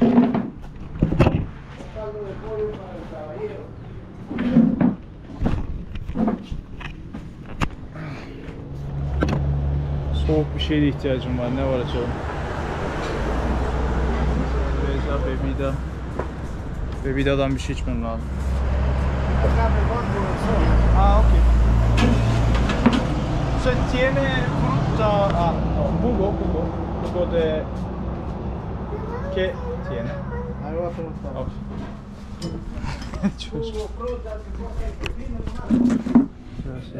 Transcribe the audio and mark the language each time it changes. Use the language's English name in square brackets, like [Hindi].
[Spanish] Caldo de pollo para el caballero. [Turkish] Soğuk bir şeye de ihtiyacım var, ne var acaba? Bebida. Bebida'dan bir şey içmem lazım. Ah, okay. [Spanish] Se tiene fruta, jugo, jugo de qué tiene? Agua fruta. Okay.